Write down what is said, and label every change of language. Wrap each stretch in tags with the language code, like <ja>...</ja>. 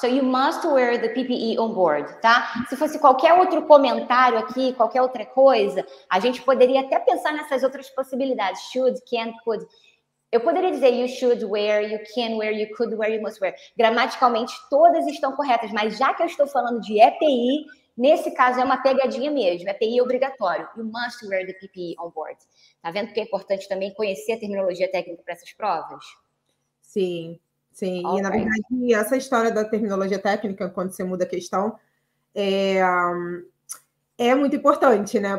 <en>So, you must wear the PPE on board, tá?</en> <pt>Se fosse qualquer outro comentário aqui, qualquer outra coisa, a gente poderia até pensar nessas outras possibilidades.</pt> <en>Should, can, could.</en> <pt>Eu poderia dizer</pt> <en>you should wear, you can wear, you could wear, you must wear.</en> <pt>Gramaticalmente, todas estão corretas. Mas já que eu estou falando de EPI... Nesse caso, é uma pegadinha mesmo. EPI é obrigatório.</pt> <en>You must wear the PPE on board.</en> <pt>Tá vendo que é importante também conhecer a terminologia técnica para essas provas? Sim, sim. All e, right. Na verdade, essa história da terminologia técnica, quando você muda a questão, é muito importante, né?</pt>